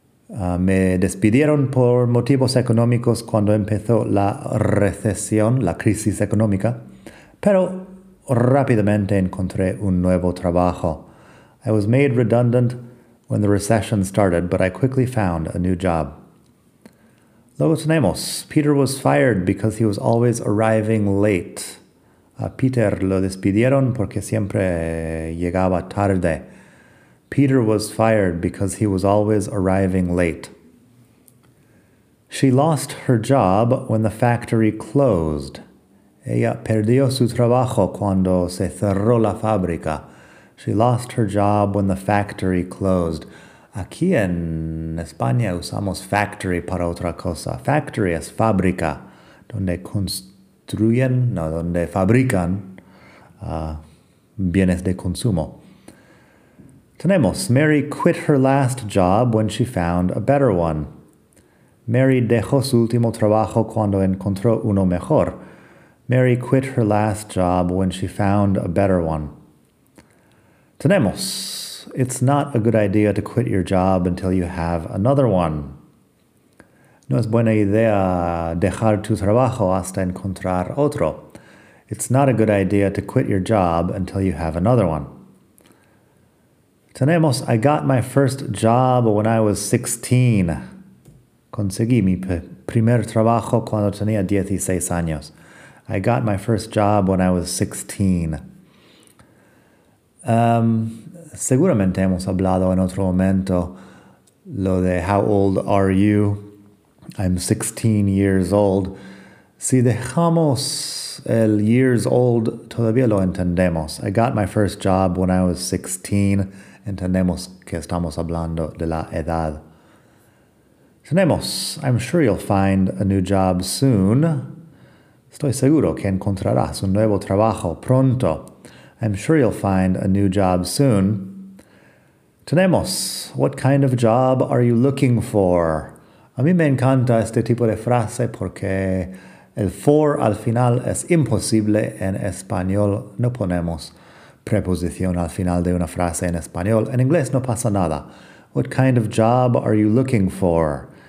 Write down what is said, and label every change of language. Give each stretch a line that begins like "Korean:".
Spanish: Me despidieron por motivos económicos cuando empezó la recesión, la crisis económica, pero rápidamente encontré un nuevo trabajo.
English: I was made redundant when the recession started, but I quickly found a new job.
Spanish: Luego tenemos,
English: Peter was fired because he was always arriving late.
Spanish: A Peter lo despidieron porque siempre llegaba tarde.
English: Peter was fired because he was always arriving late. She lost her job when the factory closed.
Spanish: Ella perdió su trabajo cuando se cerró la fábrica.
English: She lost her job when the factory closed.
Spanish: Aquí en España usamos factory para otra cosa. Factory es fábrica, donde construyen, no, donde fabrican bienes de consumo. Tenemos,
English: Mary quit her last job when she found a better one.
Spanish: Mary dejó su último trabajo cuando encontró uno mejor.
English: Mary quit her last job when she found a better one.
Spanish: Tenemos,
English: it's not a good idea to quit your job until you have another one.
Spanish: No es buena idea dejar tu trabajo hasta encontrar otro.
English: It's not a good idea to quit your job until you have another one.
Spanish: Tenemos,
English: I got my first job when I was 16.
Spanish: Conseguí mi primer trabajo cuando tenía 16 años.
English: I got my first job when I was 16.
Spanish: Seguramente hemos hablado en otro momento lo de
English: how old are you? I'm 16 years old.
Spanish: Si dejamos el years old, todavía lo entendemos.
English: I got my first job when I was 16.
Spanish: Entendemos que estamos hablando de la edad. Tenemos,
English: I'm sure you'll find a new job soon.
Spanish: Estoy seguro que encontrarás un nuevo trabajo pronto.
English: I'm sure you'll find a new job soon.
Spanish: Tenemos,
English: what kind of job are you looking for?
Spanish: A mí me encanta este tipo de frase porque el for al final es imposible en español. No ponemos preposición al final de una frase en español. En inglés no pasa nada.
English: What kind of job are you looking for?